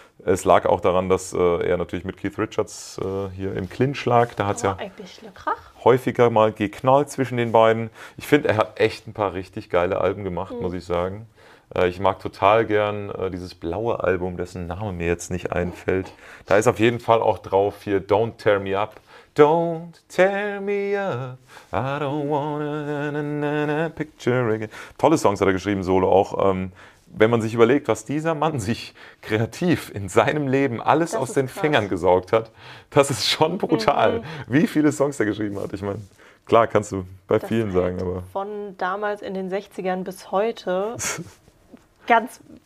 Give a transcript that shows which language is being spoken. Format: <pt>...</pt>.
<de>Es lag auch daran, dass er natürlich mit Keith Richards hier im Clinch lag. Da hat es ja häufiger mal geknallt zwischen den beiden. Ich finde, er hat echt ein paar richtig geile Alben gemacht, muss ich sagen. Ich mag total gern dieses blaue Album, dessen Name mir jetzt nicht einfällt. Da ist auf jeden Fall auch drauf hier Don't Tear Me Up.</de> <en>Don't tear me up, I don't wanna na-na-na-na picture again.</en> <de>Tolle Songs hat er geschrieben, solo auch. Wenn man sich überlegt, was dieser Mann sich kreativ in seinem Leben alles aus den Fingern gesaugt hat, das ist schon brutal, wie viele Songs er geschrieben hat. Ich meine, klar, kannst du bei vielen sagen, aber... Von damals in den 60ern bis heute, ganz</de>